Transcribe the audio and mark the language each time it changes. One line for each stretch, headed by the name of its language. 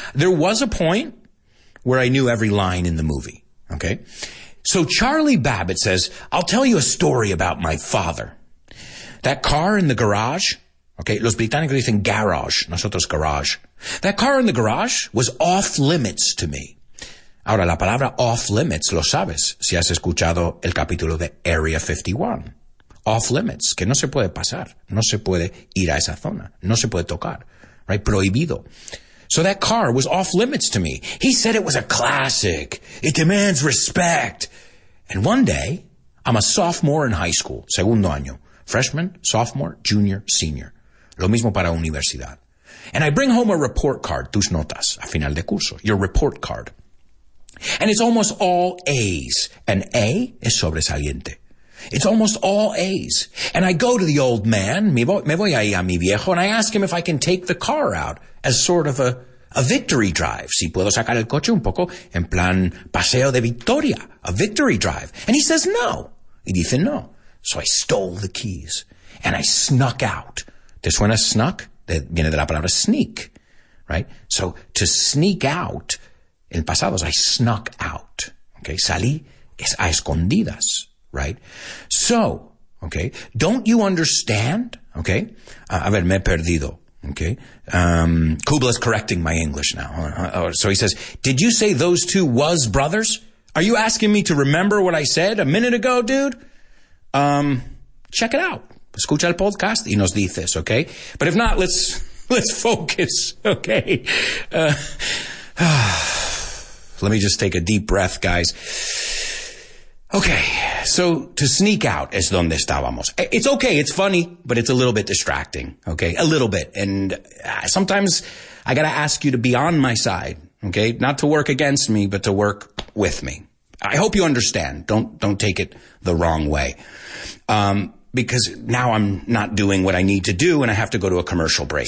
English: There was a point where I knew every line in the movie, okay? So Charlie Babbitt says, I'll tell you a story about my father. That car in the garage, okay,
Spanish: los británicos dicen garage, nosotros garage.
English: That car in the garage was off limits to me.
Spanish: Ahora, la palabra off limits, lo sabes, si has escuchado el capítulo de Area 51. Off limits, que no se puede pasar, no se puede ir a esa zona, no se puede tocar, right, prohibido.
English: So that car was off limits to me. He said it was a classic, it demands respect. And one day, I'm a sophomore in high school,
Spanish: segundo año.
English: Freshman, sophomore, junior, senior.
Spanish: Lo mismo para universidad.
English: And I bring home a report card,
Spanish: tus notas, a final de curso,
English: your report card. And it's almost all A's. And A
Spanish: es sobresaliente.
English: It's almost all A's. And I go to the old man,
Spanish: me voy ahí a mi viejo,
English: and I ask him if I can take the car out as sort of a A victory drive.
Spanish: Si puedo sacar el coche un poco en plan paseo de victoria.
English: A victory drive. And he says no.
Spanish: Y dice no.
English: So I stole the keys. And I snuck out.
Spanish: ¿Te suena snuck? Viene de la palabra sneak.
English: Right? So to sneak out.
Spanish: En pasado,
English: I snuck out. Okay?
Spanish: Salí es a escondidas.
English: Right? So, okay? Don't you understand? Okay?
Spanish: A ver, me he perdido.
English: Okay? Kubla's correcting my English now. So he says, did you say those two was brothers? Are you asking me to remember what I said a minute ago, dude? Check it out.
Spanish: Escucha el podcast y nos dices, okay?
English: But if not, let's focus, okay? Let me just take a deep breath, guys. Okay, so to sneak out
Spanish: es donde estábamos.
English: It's okay, it's funny, but it's a little bit distracting, okay? A little bit. And sometimes I gotta ask you to be on my side, okay? Not to work against me, but to work with me. I hope you understand. Don't take it the wrong way. Because now I'm not doing what I need to do and I have to go to a commercial break.